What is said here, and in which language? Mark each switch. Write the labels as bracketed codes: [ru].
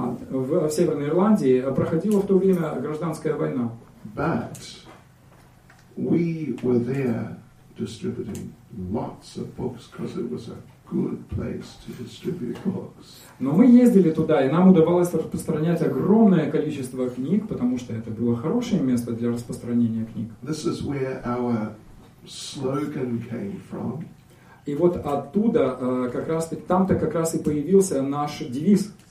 [ru] в Северной Ирландии проходила в то время гражданская война. [en] But we were there distributing lots of books because it was a good place to distribute books. [ru] Но мы ездили туда, и нам удавалось распространять огромное количество книг, потому что это было хорошее место для распространения книг. [en] This is where our slogan came from. [ru] И вот оттуда, как раз, там-то как раз и появился наш девиз.